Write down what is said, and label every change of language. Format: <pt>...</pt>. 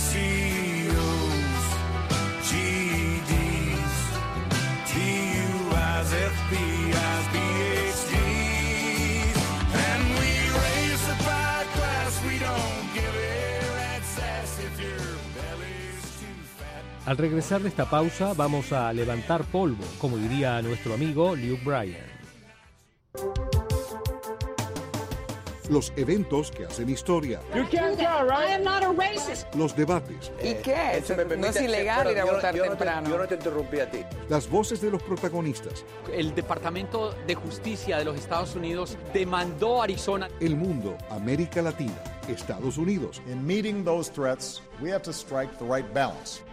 <en>CEOs, GD, DUIs, FBIs, PhDs, and we raise the pie glass. We don't give air at sass if your belly's too fat.</en> <es>Al regresar de esta pausa, vamos a levantar polvo, como diría nuestro amigo Luke Bryan. Los eventos que hacen historia.</es> <en>You can't go, right? I am not a racist.</en> <es>Los debates. ¿Y qué? No es ilegal ir a votar temprano. Yo no te interrumpí a ti. Las voces de los protagonistas. El Departamento de Justicia de los Estados Unidos demandó a Arizona. El mundo, América Latina, Estados Unidos.</es> <en>In meeting those threats, we have to strike the right balance.</en>